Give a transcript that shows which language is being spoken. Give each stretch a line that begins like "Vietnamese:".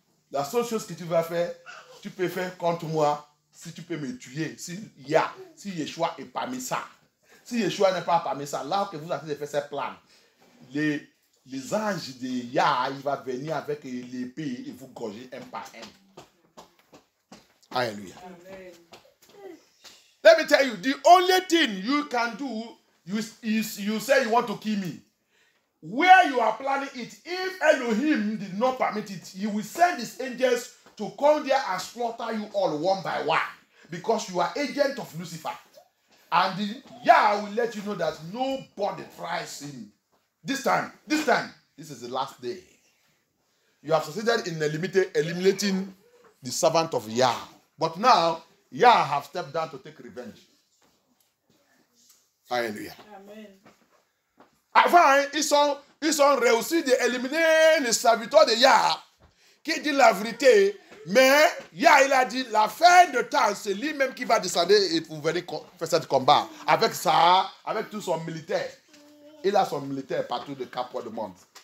French: La seule chose que tu vas faire, tu peux faire contre moi, si tu peux me tuer, si Yeshua est parmi ça. Si Yeshua n'est pas parmi ça, là que vous avez fait ce plan, les anges de Yah, il va venir avec l'épée et vous gorger un par un. Alléluia. Amen.
English: Let me tell you, the only thing you can do is you say you want to kill me. Where you are planning it, if Elohim did not permit it, he will send his angels to come there and slaughter you all one by one. Because you are agent of Lucifer. And Yah will let you know that nobody tries him. This time, this is the last day. You have succeeded in eliminating the servant of Yah. But now, Yah have stepped down to take revenge. Hallelujah. Amen.
French: Avant, ils ont réussi d'éliminer le serviteur de Yah, qui dit la vérité, mais Yah, il a dit, la fin de temps, c'est lui-même qui va descendre et vous venez faire ce combat. Avec tout son militaire. Il a son militaire partout de Cap du monde.